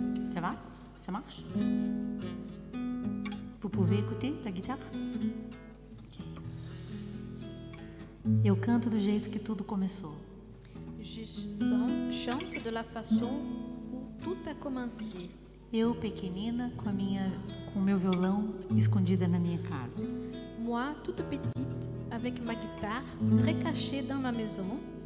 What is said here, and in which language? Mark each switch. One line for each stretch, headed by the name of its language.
French: Ça va? Ça marche? Vous pouvez écouter la guitare?
Portuguese: Eu canto do jeito que tudo começou.
French: Je chante de la façon où tout a commencé.
Portuguese: Eu pequenina com o meu violão escondida na minha casa.
French: Moi toute petite avec ma guitare très cachée dans ma maison.